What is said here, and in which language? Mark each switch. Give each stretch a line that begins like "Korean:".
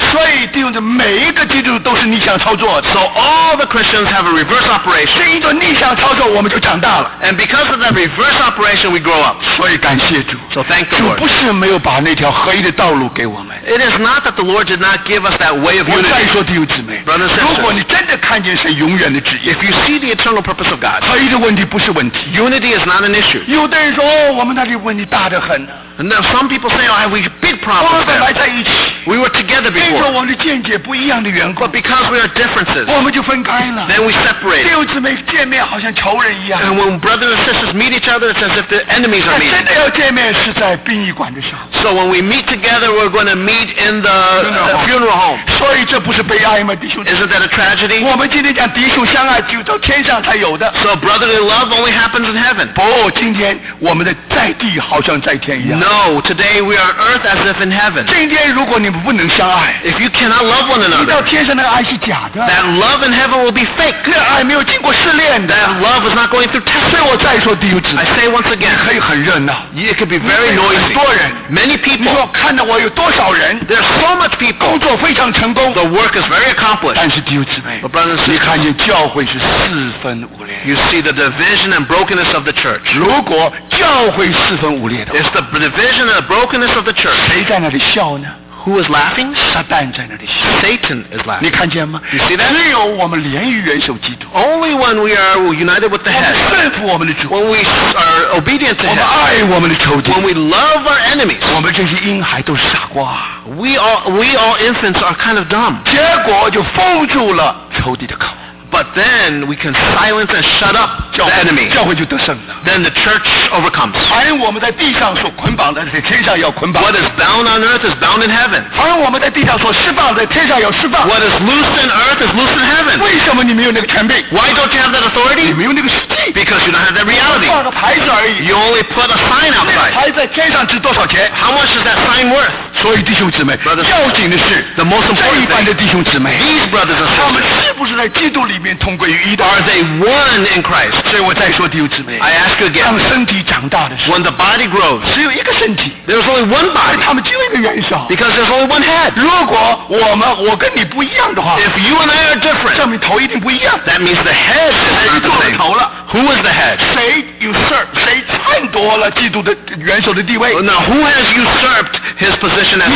Chinese: 所以弟兄们，每一个基督徒都是逆向操作。
English: So all the Christians have a reverse operation.
Chinese: 这一种逆向操作，我们就长大了。
English: And because of that reverse operation, we grow up.
Chinese: 所以感谢主。
English: So thank the Lord.
Chinese: 主不是没有把那条合一的道路给我们。
English: It is not that the Lord did not give us that way of unity.
Chinese: 我再说弟兄姊妹，
English: brothers and sisters,
Chinese: 如果你真的看见神永远的旨意，
English: if you see the eternal purpose of God,
Chinese: 合一的问题不是问题。
English: Unity is not an issue.
Chinese: 有的人说，我们那里问题大得很。
English: Now some people say, oh, we have big problems.
Chinese: 我们本来在一起。
English: We were together before.
Chinese: 因为我们的见解不一样的缘故。
English: But because we are differences,
Chinese: 我们就分开了。
English: Then we separate.
Chinese: 弟兄姊妹见面好像仇人一样。
English: And when brothers and sisters meet each other, it's as if the enemies are meeting.
Chinese: 真的要见面是在殡仪馆的时候。
English: So when we meet together, we're going to meet in the funeral home.
Chinese: 所以这不是悲哀吗，弟兄？
English: Isn't that a tragedy?
Chinese: 我们今天讲弟兄相爱，就到天上才有的。
English: So brotherly love only happens in heaven.
Chinese: 不，今天我们的在地好像在天一样。
English: No, today we are earth as if in heaven.
Chinese: 今天如果你们不能相爱，
English: if you cannot love one another,
Chinese: 你到天上那个爱是假的。
English: That love in heaven will be fake.
Chinese: 那爱没有经过试炼的。
English: That love is not going through test.
Chinese: 所以我再说弟兄姊妹，
English: I say once again,
Chinese: 可以很热闹。
English: It could be very noisy.
Chinese: 很多人。
English: Many people.
Chinese: 你说看到我有多少人？
English: There are so much people.
Chinese: 工作非常成功。
English: The work is very accomplished.
Chinese: 但是弟兄姊妹，
English: But brothers and sisters,
Chinese: 你看见教会是四分五裂。
English: You see the division and brokenness of the church.
Chinese: 如果教会四分五裂的话，
English: It's the division and the brokenness of the church.
Chinese: 谁在那里笑呢？
English: Who is laughing?
Chinese: 撒旦在那里笑。
English: Satan is laughing.
Chinese: 你看见吗？
English: You see that?
Chinese: 只有我们连于元首基督。
English: Only when we are united with the head.
Chinese: 我们顺服我们的主。
English: When we are obedient to him.
Chinese: 我们爱我们的仇敌。
English: When we love our enemies.
Chinese: 我们这些婴孩都是傻瓜。
English: We all infants are kind of dumb.
Chinese: 结果就封住了仇敌的口。
English: But then we can silence and shut up the enemy.
Chinese: 教会就得胜了。
English: Then the church overcomes.
Chinese: 凡我们在地上所捆绑的，在天上要捆绑。
English: What is bound on earth is bound in heaven.
Chinese: 凡我们在地上所释放的，在天上要释放。
English: What is loosed in earth is loosed in heaven.
Chinese: 为什么你没有那个权柄？
English: Why don't you have that authority?
Chinese: 你没有那个实际。
English: Because you don't have that reality.
Chinese: 放个牌子而已。
English: You only put a sign outside.
Chinese: 那个牌子在天上值多少钱？
English: How much is that sign worth?
Chinese: 所以弟兄姊妹，
English: brothers,
Chinese: 要紧的是
English: the most important thing,
Chinese: 这一般的弟兄姊妹，
English: these brothers and sisters,
Chinese: 他们是不是在基督里面同归于一的？
English: Are they one in Christ?
Chinese: 所以我再说弟兄姊妹，
English: I ask again,
Chinese: 当身体长大的时候，
English: when the body grows,
Chinese: 只有一个身体，
English: there's only one body,
Chinese: 他们只有一个元首，
English: because there's only one head.
Chinese: 如果我跟你不一样的话，
English: if you and I are different,
Chinese: 证明头一定不一样， that means the head is not the same.
English: Who is the head?
Chinese: 谁 usurp 谁篡夺了基督的元首的地位？
English: Now who has usurped his position?